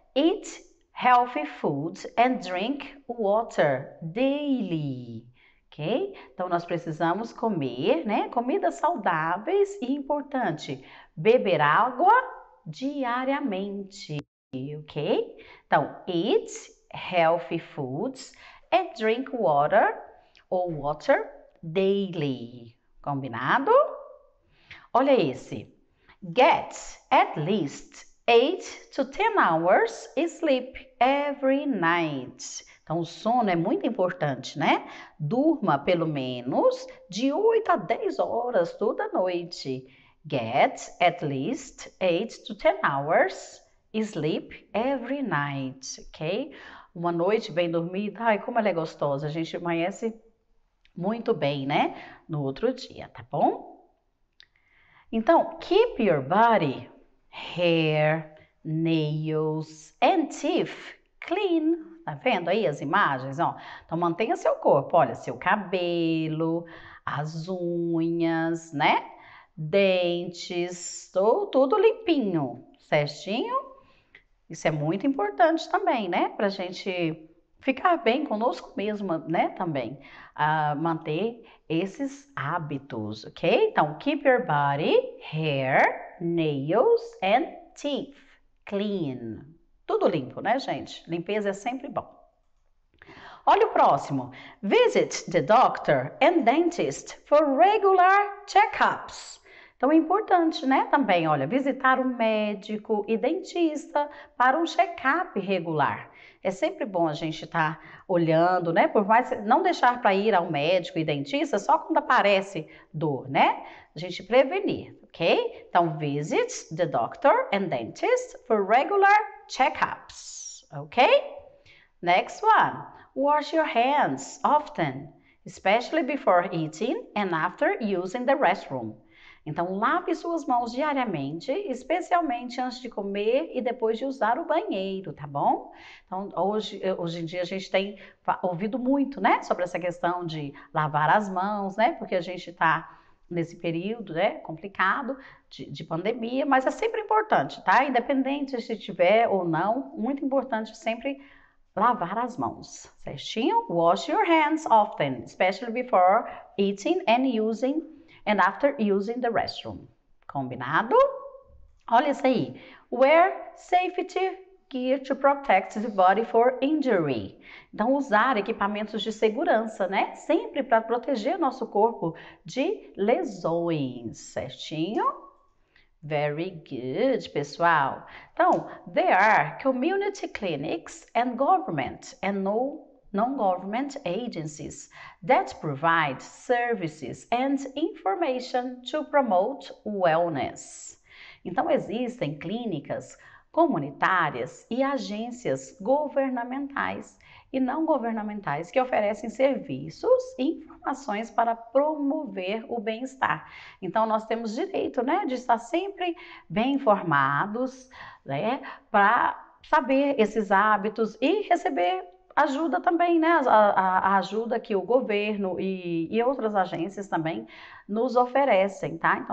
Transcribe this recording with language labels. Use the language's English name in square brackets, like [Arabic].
[English] Eat healthy food and drink water daily, ok? [Portuguese] Então nós precisamos comer, né? Comidas saudáveis e importante, beber água diariamente, ok? Então, [English] eat healthy foods and drink water or water daily. [Portuguese] Combinado? Olha esse. [English] Get at least 8 to 10 hours sleep every night. [Portuguese] Então, o sono é muito importante, né? Durma pelo menos de 8 a 10 horas toda noite. [English] Get at least 8 to 10 hours sleep every night, ok? [Portuguese] Uma noite bem dormida, ai, como ela é gostosa, a gente amanhece muito bem, né? No outro dia, tá bom? Então, [English] keep your body, hair, nails and teeth clean. [Portuguese] Tá vendo aí as imagens, ó? Então, mantenha seu corpo, olha, seu cabelo, as unhas, né? Dentes, tudo limpinho, certinho? Isso é muito importante também, né? Para a gente ficar bem conosco mesmo, né? Também manter esses hábitos, ok? Então, [English] keep your body, hair, nails and teeth clean. [Portuguese] Tudo limpo, né, gente? Limpeza é sempre bom. Olha o próximo. [English] Visit the doctor and dentist for regular checkups. [Portuguese] Então é importante, né? Também, olha, visitar um médico e dentista para um check-up regular. É sempre bom a gente estar olhando, né? Por mais não deixar para ir ao médico e dentista só quando aparece dor, né? A gente prevenir, ok? Então, [English] visit the doctor and dentist for regular check-ups, ok? Next one. Wash your hands often, especially before eating and after using the restroom. [Portuguese] Então, lave suas mãos diariamente, especialmente antes de comer e depois de usar o banheiro, tá bom? Então, hoje em dia a gente tem ouvido muito, né, sobre essa questão de lavar as mãos, né, porque a gente está nesse período, né, complicado de pandemia, mas é sempre importante, tá? Independente se tiver ou não, muito importante sempre lavar as mãos, certinho? [English] Wash your hands often, especially before eating and after using the restroom. [Portuguese] Combinado? Olha isso aí. [English] Wear safety gear to protect the body for injury. [Portuguese] Então, usar equipamentos de segurança, né? Sempre para proteger o nosso corpo de lesões, certinho? [English] Very good, [Portuguese] pessoal. Então, [English] there are community clinics and government and non-government agencies that provide services and information to promote wellness. [Portuguese] Então, existem clínicas comunitárias e agências governamentais e não governamentais que oferecem serviços e informações para promover o bem-estar. Então, nós temos direito, né, de estar sempre bem informados, né, para saber esses hábitos e receber ajuda também, né, a ajuda que o governo e outras agências também nos oferecem, tá?